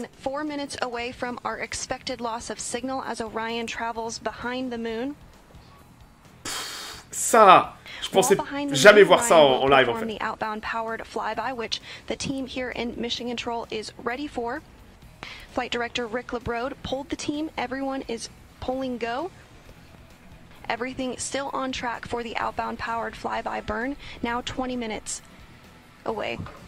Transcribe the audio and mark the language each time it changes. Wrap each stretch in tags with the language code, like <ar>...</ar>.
<en>than 4 minutes away from our expected loss of signal as Orion travels behind the moon.</en> <fr>Ça, je pensais jamais voir ça en live en fait.</fr> <en>Outbound powered flyby, which the team here in Mission Control is ready for. Flight Director Rick LeBrode pulled the team. Everyone is pulling go. Everything still on track for the outbound powered flyby burn. Now 20 minutes away.</en>